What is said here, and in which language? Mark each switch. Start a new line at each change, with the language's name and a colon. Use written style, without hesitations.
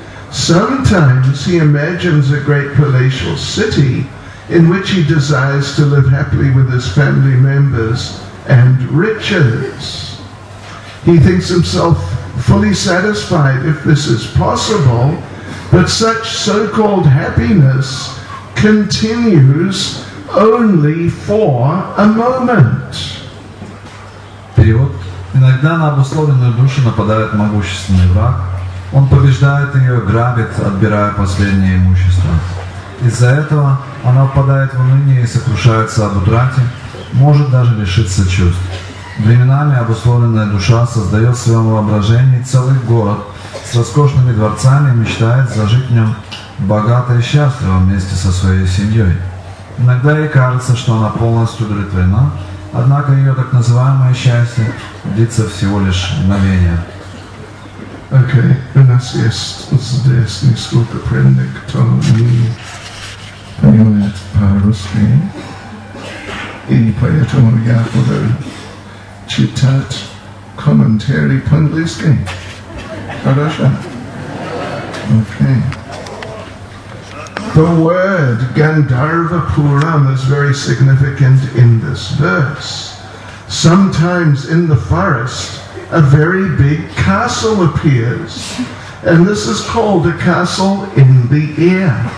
English: Sometimes he imagines a great palatial city in which he desires to live happily with his family members and riches. He thinks himself fully satisfied if this is possible, but such so-called happiness continues only for a moment.
Russian: Перевод. Иногда на обусловленную душу нападает могущественный враг. Он побеждает ее, грабит, отбирая последнее имущество. Из-за этого она впадает в уныние и сокрушается об утрате, может даже лишиться чувств. Временами обусловленная душа создает в своем воображении целый город с роскошными дворцами и мечтает зажить в нем богато и счастливо вместе со своей семьей. Иногда ей кажется, что она полностью удовлетворена, однако ее так называемое счастье длится всего лишь мгновение. Окей, у нас есть здесь несколько примеров, кто не понимает по-русски, и поэтому я буду читать комментарий по-английски. Хорошо? Окей.
English: The word Gandharva Puram is very significant in this verse. Sometimes in the forest, a very big castle appears, and this is called a castle in the air.